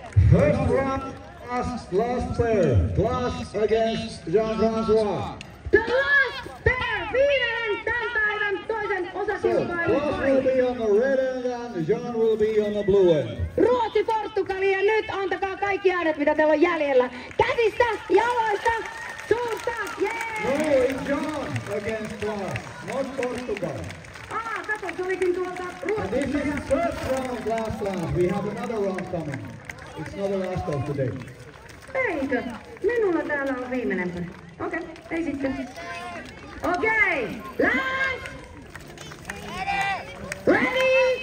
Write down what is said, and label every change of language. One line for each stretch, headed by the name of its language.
English: First round, last pair. Glass against Jean-François. The last pair,
Finnish: viimeinen tämän päivän toisen osakilpailun.
English: Glass will be on the red end and Jean will be on the blue end.
Finnish: Ruotsi, Portugali, ja nyt antakaa kaikki äänet, mitä teillä on jäljellä. Käsistä, jaloista, suusta, jee!
English: No, it's Jean against Glass, not Portugal.
Finnish: Kato, se olikin tuolta Ruotsi.
English: And this is the first round, last round. We have another round coming. It's not the last of today.
Finnish: Eikö? Minulla täällä on viimeinen. Okei, ei sitten. Okei, last!
English: Ready!